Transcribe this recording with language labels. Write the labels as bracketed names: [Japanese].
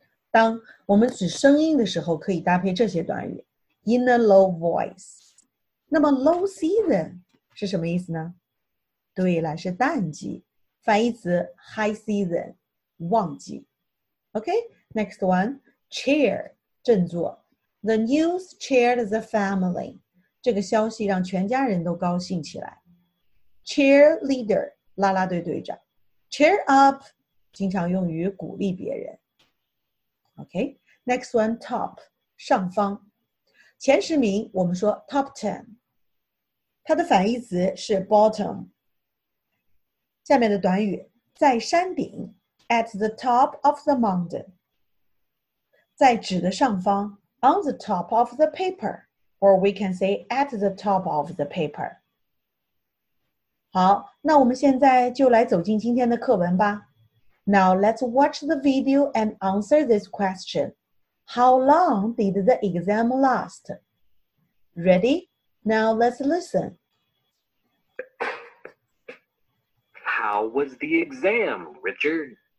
[Chinese] 当我们指声音的时候，可以搭配这些短语。 [English] In a low voice. [Chinese] 那么 low season 是什么意思呢？对了，是淡季。反义词 high season, 旺季。 [English] Okay, next one. Chair, [Chinese] 振作。 [English] The news cheered the family. [Chinese] 这个消息让全家人都高兴起来。Cheerleader, 啦啦队队长。 Cheer up, 经常用于鼓励别人。 [English] Okay, next one, top, 上方。 [Chinese] 前十名我们说 top ten. 它的反义词是 bottom. 下面的短语在山顶 [English] at the top of the mountain. [Chinese] 在纸的上方, [English] on the top of the paper, or we can say at the top of the paper. [Chinese] 好,那我们现在就来走进今天的课文吧。 [English] Now let's watch the video and answer this question. How long did the exam last? Ready? Now let's listen. How was the exam, Richard?